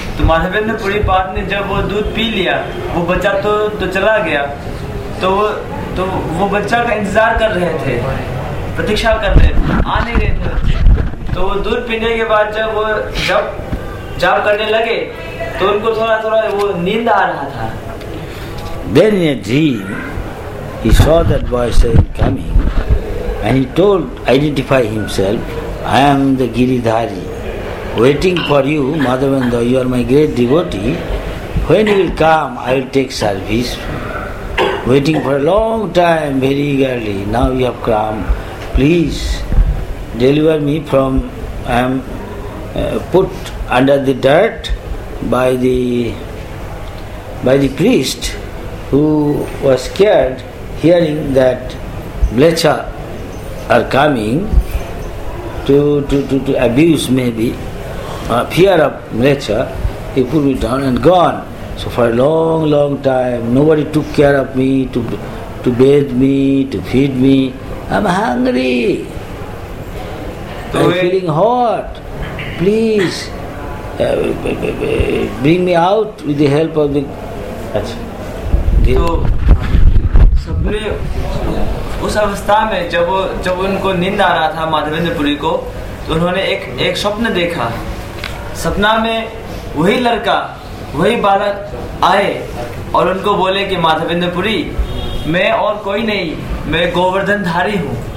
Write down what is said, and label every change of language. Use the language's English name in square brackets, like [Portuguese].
[Hindi] तो माधवेंद्र पुरी पाठ ने जब वो दूध पी लिया, वो बच्चा तो चला गया, तो वो बच्चा का इंतजार कर रहे थे, प्रतीक्षा कर रहे थे, आ नहीं रहे थे। तो वो दूध पीने के बाद जब जाप करने लगे तो उनको थोड़ा थोड़ा वो नींद आ रहा था। [English] Then in a dream, he saw that boy coming and he told, identify himself, I am the Giridhari, waiting for you, Madhavendra, you are my great devotee. When you will come, I will take service. Waiting for a long time, very eagerly, now you have come. Please deliver me from, I am put under the dirt by the priest who was scared hearing that Blecha are coming to abuse, maybe fear of Blecha, he put me down and gone. So for a long, long time, nobody took care of me, to bathe me, to feed me. I'm hungry. I'm feeling hot. Please, bring me out with the help of the... [Hindi] So, सबने उस अवस्था में जब उनको नींद आ रहा था माधवेंद्र पुरी को, तो उन्होंने एक सपने देखा। सपना में वही लड़का, वही बालक आए और उनको बोले कि माधवेंद्र पुरी, मैं और कोई नहीं, मैं गोवर्धन धारी हूँ।